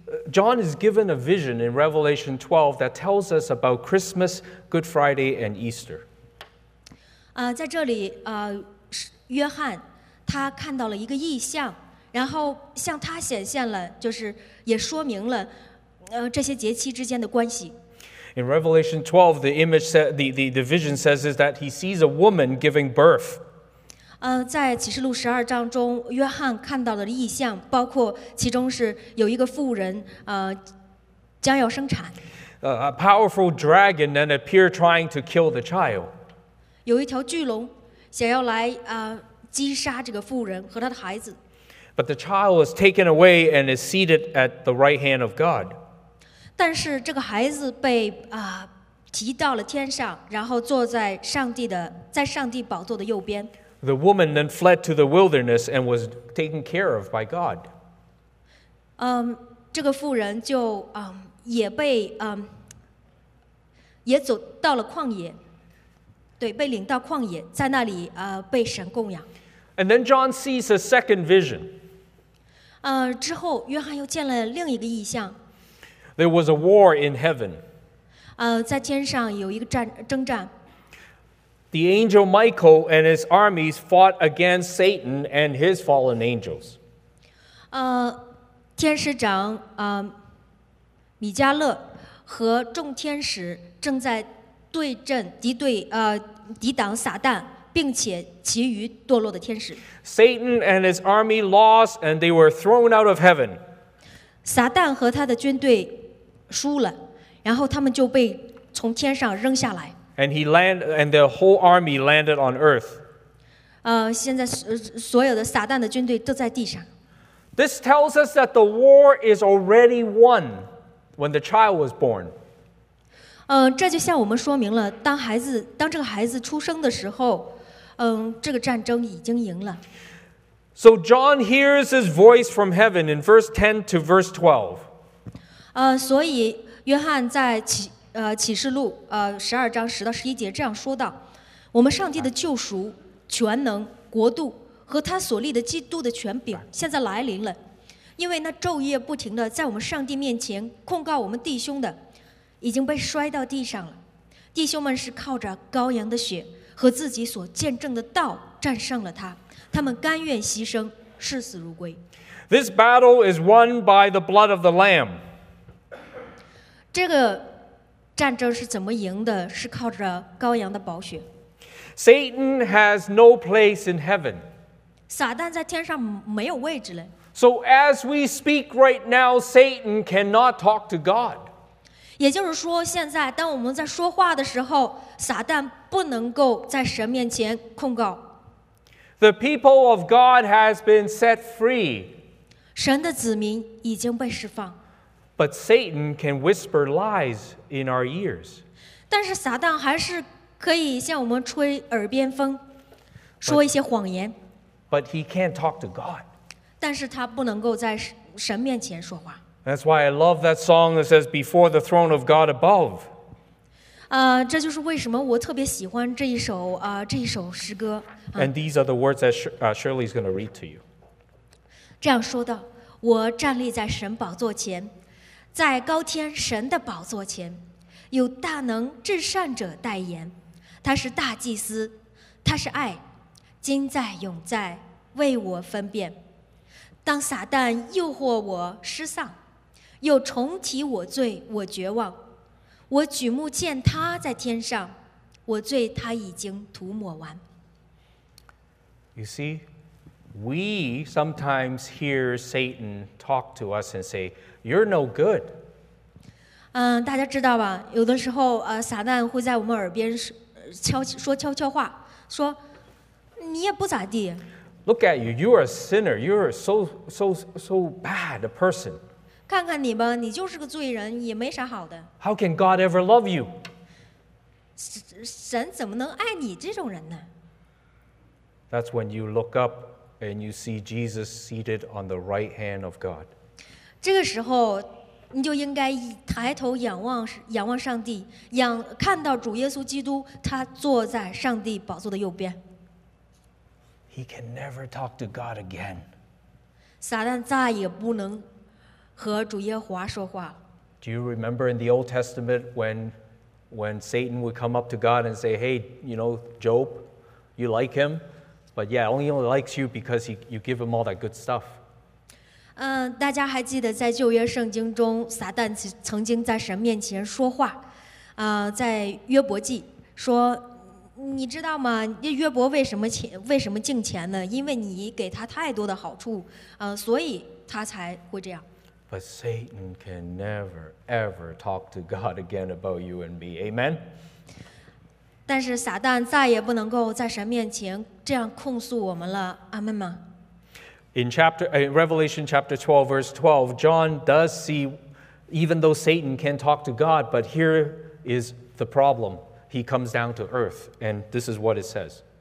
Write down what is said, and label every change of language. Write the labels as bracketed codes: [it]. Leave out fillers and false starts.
[en] John is given a vision in Revelation 12 that tells us about Christmas, Good Friday, and Easter. [zh] 在这里，约翰他看到了一个异象，然后向他显现了，就是也说明了，这些节期之间的关系。 [en] In Revelation 12, the image said, the vision says is that he sees a woman giving birth. [zh] 在启示录十二章中，约翰看到的异象包括其中是有一个妇人，将要生产。 [en] A powerful dragon then appeared trying to kill the child. [zh] 有一条巨龙想要来击杀这个妇人和他的孩子。 [en] But the child is taken away and is seated at the right hand of God. [zh] 但是这个孩子被提到了天上，然后坐在上帝宝座的右边。 [en] The woman then fled to the wilderness and was taken care of by God. [zh] 这个妇人就也被也走到了旷野，对，被领到旷野，在那里被神供养。 [en] And then John sees a second vision. [zh] 之后约翰又见了另一个异象。 [en] There was a war in heaven. [zh] 在天上有一个征战。 [en] The angel Michael and his armies fought against Satan and his fallen angels. [zh] 天使长米迦勒和众天使正在对阵抵挡撒旦，并且其余堕落的天使。 [en] Satan and his army lost, and they were thrown out of heaven. [zh] 撒旦和他的军队输了，然后他们就被从天上扔下来。 [en] And he landed, and the whole army landed on earth. [zh] 现在所有的撒旦的军队都在地上。 [en] This tells us that the war is already won when the child was born. [zh] 这就向我们说明了，当这个孩子出生的时候，这个战争已经赢了。 [en] So John hears his voice from heaven in verse 10 to verse 12. [zh] 所以约翰在启示录十二章十到十一节这样说道： 我们上帝的救赎、全能、国度和他所立的基督的权柄现在来临了，因为那昼夜不停地在我们上帝面前控告我们弟兄的已经被摔到地上了。弟兄们是靠着羔羊的血和自己所见证的道战胜了他，他们甘愿牺牲，视死如归。 [en] This battle is won by the blood of the Lamb. [zh] 这个战争是怎么赢的？是靠着羔羊的宝血。 [en] Satan has no place in heaven. [zh] 撒旦在天上没有位置了。 [en] So as we speak right now, Satan cannot talk to God. [zh] 也就是说，现在当我们在说话的时候，撒旦不能够在神面前控告。 [en] The people of God has been set free. [zh] 神的子民已经被释放。 [en] But Satan can whisper lies in our ears. [zh] 但是撒旦还是可以向我们吹耳边风，说一些谎言。 [en] But he can't talk to God. [zh] 但是他不能够在神面前说话。 [en] That's why I love that song that says, "Before the throne of God above." [zh] 这就是为什么我特别喜欢这一首诗歌。 [en] And these are the words that Shirley is going to read to you. [zh] 这样说道：我站立在神宝座前，在高天神的宝座前，有大能至善者代言，他是大祭司，他是爱，今在永在，为我分辨。当撒旦诱惑我失丧，又重提我罪，我绝望，我举目见他在天上，我罪他已经涂抹完。 [en] You see, we sometimes hear Satan talk to us and say, "You're no good." [zh] 大家知道吧？有的时候，撒旦会在我们耳边说悄悄话，说你也不咋地。 [en] Look at you. You are a sinner. You are so bad a person. [zh] 看看你吧，你就是个罪人，也没啥好的。 [en] How can God ever love you? [zh] 神怎么能爱你这种人呢？ [en] That's when you look up and you see Jesus seated on the right hand of God. [zh] 这个时候，你就应该抬头仰望上帝，看到主耶稣基督，他坐在上帝宝座的右边。 [en] He can never talk to God again. [zh] 撒旦再也不能和主耶和华说话。 [en] Do you remember in the Old Testament when Satan would come up to God and say, "Hey, you know, Job, you like him?" But yeah, only likes you because you give him all that good stuff. [zh] 大家还记得在旧约圣经中，撒旦曾经在神面前说话，在约伯记说，你知道吗？约伯为什么敬钱呢？因为你给他太多的好处，所以他才会这样。 [en] But Satan can never ever talk to God again about you and me. Amen. [zh] 但是撒旦再也不能够在神面前这样控诉我们了，阿们吗？ [en] In Revelation chapter 12, verse 12, John does see, even though Satan can talk to God, but here is the problem. He comes down to earth, and this is what it says.